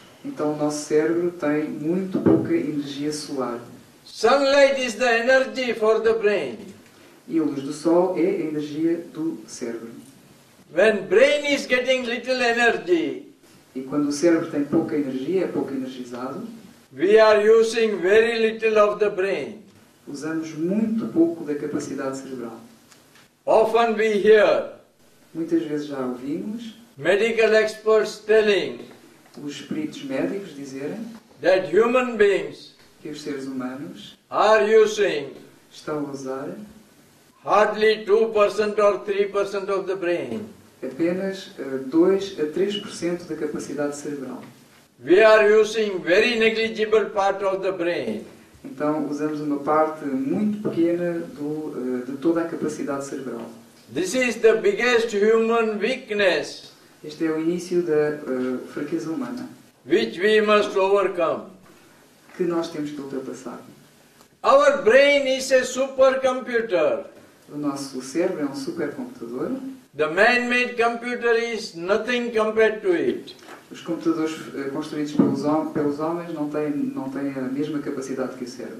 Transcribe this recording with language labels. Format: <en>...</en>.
<pt>Então o nosso cérebro tem muito pouca energia solar.</pt> <en>Sunlight is the energy for the brain.</en> <pt>E a luz do sol é a energia do cérebro.</pt> <en>When brain is getting little energy,</en> <pt>e quando o cérebro tem pouca energia, é pouco energizado,</pt> <en>we are using very little of the brain.</en> <pt>Usamos muito pouco da capacidade cerebral.</pt> <en>Often we hear,</en> <pt>muitas vezes já ouvimos,</pt> <en>medical experts telling,</en> <pt>os espíritos médicos dizerem,</pt> <en>that human beings,</en> <pt>que os seres humanos,</pt> <en>are using,</en> <pt>estão a usar,</pt> <en>hardly 2% or 3% of the brain.</en> <pt>Apenas 2 a 3% da capacidade cerebral.</pt> <en>We are using very negligible part of the brain.</en> <pt>Então usamos uma parte muito pequena de toda a capacidade cerebral.</pt> <en>This is the biggest human weakness.</en> <pt>Este é o início da fraqueza humana.</pt> <en>Which we must overcome.</en> <pt>Que nós temos que ultrapassar.</pt> <en>Our brain is a supercomputer.</en> <pt>O nosso cérebro é um supercomputador.</pt> <en>The man-made computer is nothing compared to it.</en> <pt>Os computadores construídos pelos homens não têm a mesma capacidade que o cérebro.</pt>